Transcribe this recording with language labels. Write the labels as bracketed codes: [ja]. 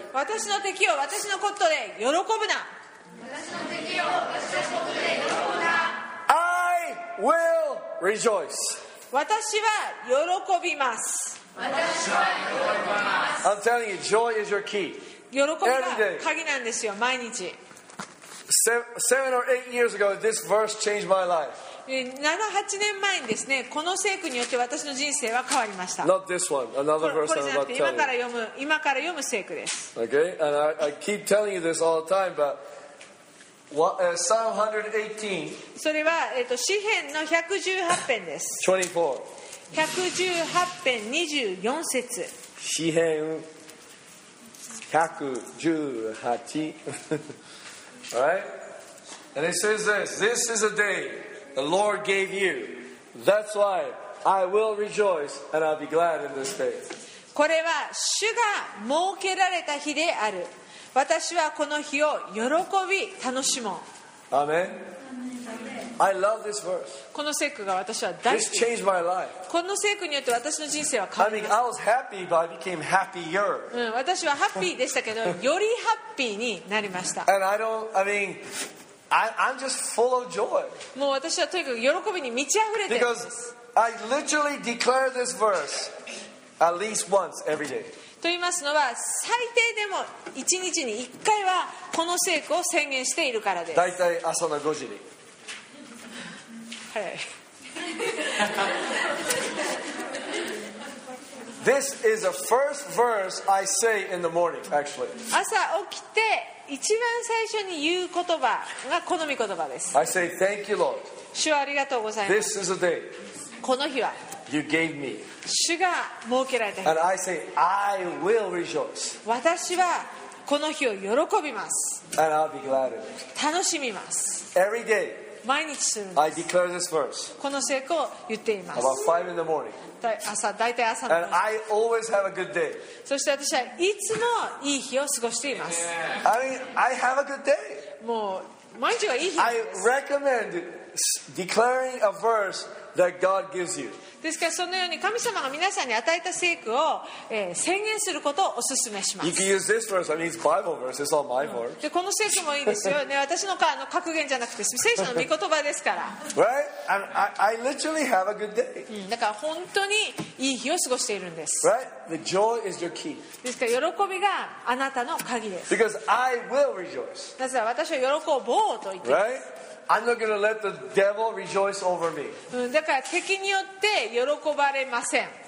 [ja] 私の敵を私のことで喜ぶな。 [en] I will rejoice. [ja] 私は喜びます。 [en] I'm telling you, joy is your key. [ja] 喜びが鍵なんですよ、毎日。 [en] Seven or eight years ago, this verse changed my life. [ja] 7、8年前にですね、この聖句によって私の人生は変わりました。 [en] Not this one, another verse I'm about to tell you. [ja] これじゃなくて今から読む聖句です。 [en] Okay, and I keep telling you this all the time, but what, Psalm 118. [ja] それは、詩編の118編です。 [en] 24. [ja] 118編24節。詩編118 [en] Alright, and it says this, this is a dayThe Lord gave you. That's why I will rejoice and I'll be glad in this day. [ja] これは主が設けられた日である。私はこの日を喜び楽しもう。 [en] Amen. I love this verse. [ja] この聖句が私は大好き。 [en] This changed my life. [ja] この聖句によって私の人生は変わりました [en] 。 I mean, I was happy, but I became happier. [ja] 私はハッピーでしたけど、よりハッピーになりました。 [en] And I don't, I mean. I'm just full of joy. [ja] もう私はとにかく喜びに満ち溢れてるんです。 [en] Because I literally declare this verse at least once every day. [ja] と言いますのは、最低でも1日に1回はこの聖句を宣言しているからです。だいたい朝の5時に。 [en] This is the first verse I say in the morning, actually. [ja] 朝起きて一番最初に言う言葉が好み言葉です。 [en] I say thank you, Lord. [ja] 主はありがとうございます。 [en] This is a day. [ja] この日は。 [en] You gave me. [ja] 主が設けられた日。 [en] And I say I will rejoice. [ja] 私はこの日を喜びます。 [en] And I'll be glad in it. [ja] 楽しみます。 [en] Every day. [ja] 毎日するんです。 [en] I declare this verse. [ja] この聖句を言っています。 [en] About five in the morning. [ja] 朝、大体朝の。 [en] And I always have a good day. [ja] そして私はいつもいい日を過ごしています。 [en] Yeah. I mean, I have a good day. [ja] もう毎日はいい日です。 [en] I recommend declaring a verse that God gives you. [ja] ですからそのように神様が皆さんに与えた聖句を、宣言することをお勧めします。 [en] You can use this verse. I mean, it's Bible verse. It's all my verse. [ja] でこの聖句もいいですよ。ね、私の格言じゃなくて聖書の御言葉ですから。 [en] Right? And I literally have a good day. [ja] だから本当にいい日を過ごしているんです。 [en] Right? The joy is your key. [ja] ですから喜びがあなたの鍵です。 [en] Because I will rejoice. [ja] なぜなら私は喜ぼうと言っています。 [en] Right? I'm not gonna let the devil rejoice over me. [ja] だから敵によって喜ばれません。